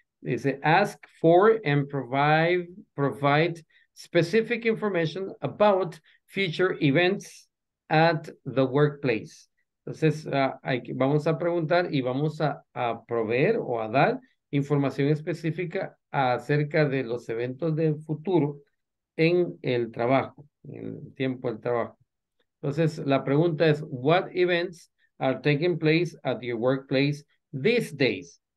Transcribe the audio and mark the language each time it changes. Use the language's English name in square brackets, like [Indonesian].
[Spanish] Dice, [English] ask for and provide specific information about future events at the workplace. [Spanish] Entonces, vamos a preguntar y vamos a proveer o a dar información específica acerca de los eventos del futuro en el trabajo, en el tiempo del trabajo. Entonces, la pregunta es, [English] what events are taking place at your workplace these days?